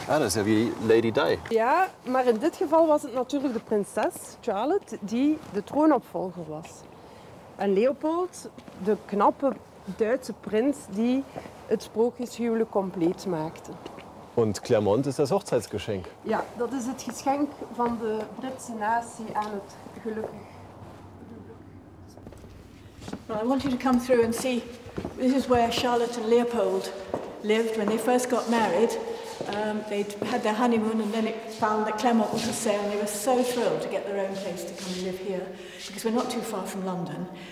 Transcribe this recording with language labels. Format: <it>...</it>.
<nl>Ah, dan zeg je Lady Di. Ja, maar in dit geval was het natuurlijk de prinses, Charlotte, die de troonopvolger was. En Leopold, de knappe Duitse prins die het sprookjeshuwelijk compleet maakte.</nl> <de>Und Clermont ist das Hochzeitsgeschenk. Ja, das ist das Geschenk von der britischen Nation an das Glück.</de> <en>Well, I want you to come through and see. This is where Charlotte and Leopold lived when they first got married. They'd had their honeymoon and then it found that Clermont was for sale and they were so thrilled to get their own place to come and live here because we're not too far from London.</en>